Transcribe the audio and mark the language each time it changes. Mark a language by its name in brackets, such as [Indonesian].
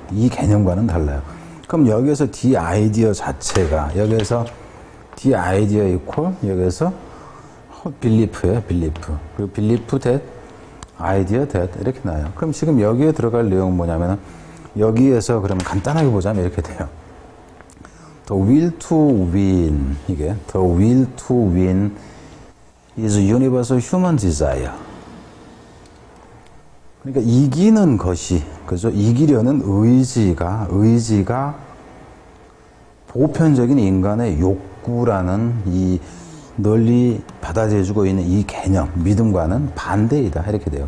[Korean] 이 개념과는 달라요. 그럼 여기에서 the idea 자체가 여기에서 the idea equal 여기에서 belief예요. belief. 그리고 belief that idea that 이렇게 나와요. 그럼 지금 여기에 들어갈 내용은 뭐냐면은 여기에서 그러면 간단하게 보자면 이렇게 돼요. [English] The will to win, [Korean] 이게 [English] The will to win is universal human desire. [Korean] 그러니까 이기는 것이, 그죠? 이기려는 의지가 보편적인 인간의 욕구라는 이 널리 받아들여지고 있는 이 개념, 믿음과는 반대이다 이렇게 돼요.